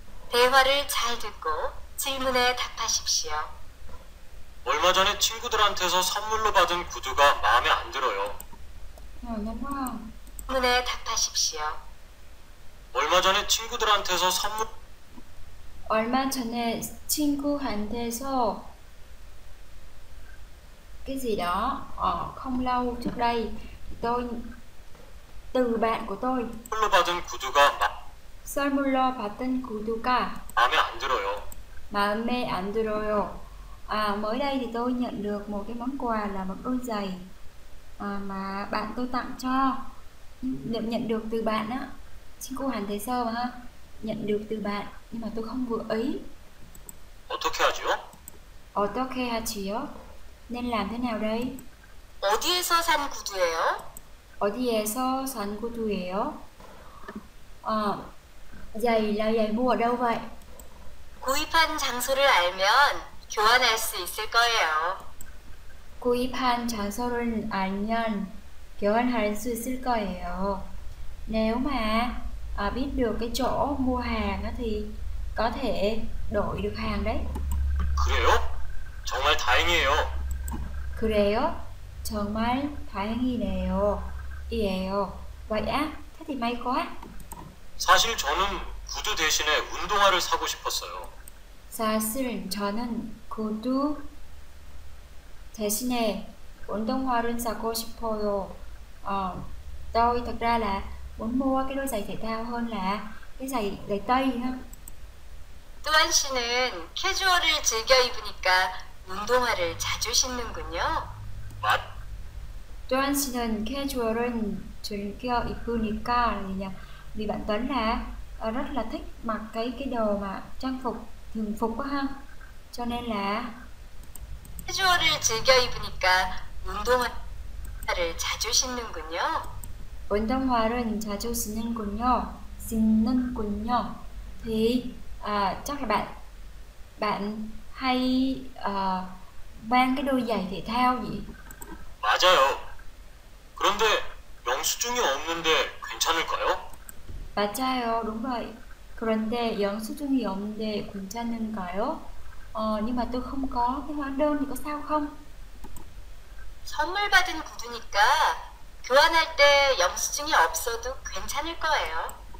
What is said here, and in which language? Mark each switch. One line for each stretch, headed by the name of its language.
Korean: 대화를 잘 듣고 질문에 답하십시오. 얼마 전에 친구들한테서 선물로 받은 구두가 마음에 안 들어요. 질문에 답하십시오. 얼마 전에 친구들한테서 선물 얼마 전에 친구한테서
Vietnamese: cái gì đó không lâu trước đây tôi từ bạn của tôi
Korean: 선물로 받은 구두가 선물로 받은 구두가 마음에 안 들어요. 마음에 안 들어요.
Vietnamese: À, mới đây thì tôi nhận được một cái món quà là một đôi giày mà bạn tôi tặng cho. Nhận được từ bạn á. Chính cô hẳn thấy sơ mà ha. Nhận được từ bạn nhưng mà tôi không vừa ý.
Korean: 어떻게 하지요? 어떻게 하지요?
Vietnamese: Nên làm thế nào đây?
Korean: 어디에서 산 구두예요? 어디에서 산 구두예요?
Vietnamese: Giày là giày mua ở đâu vậy?
Korean: 구입한 장소를 알면 교환할 수 있을 거예요. 구입한 장소를 알면 교환할 수 있을 거예요.
Vietnamese: Nếu mà biết được cái chỗ mua hàng thì có thể đổi được hàng đấy.
Korean: 그래요? 정말 다행이에요. 그래요? 정말 다행이네요. 이에요. 와야? 테디 마이 거야? 사실 저는 구두 대신에 운동화를 사고 싶었어요. 사실 저는 구두 대신에 운동화를 사고 싶어요.
Vietnamese: Tôi thật ra là muốn mua cái đôi giày thể thao hơn là cái giày tây ha.
Korean: 또한 씨는 캐주얼을 즐겨 입으니까 운동화를 자주 신는군요. 맞. 또한 씨는 캐주얼을 즐겨 입으니까
Vietnamese: vì bạn Tuấn là rất là thích mặc cái đồ mà trang phục thường phục quá ha. Cho nên là
Korean: 캐주얼을 즐겨 입으니까 운동화를 자주 신는군요. 운동화를 자주 신는군요. 신는군요.
Vietnamese: Thì chắc là bạn hay mang cái đôi giày thể thao gì?
Korean: 맞아요. 그런데 영수증이 없는데 괜찮을까요? 맞아요.
Vietnamese: Đúng rồi.
Korean: 그런데 영수증이 없는데 괜찮은가요?
Vietnamese: Nhưng mà tôi không có cái hóa đơn thì có sao không?
Korean: 선물 받은 구두니까 교환할 때 영수증이 없어도 괜찮을 거예요.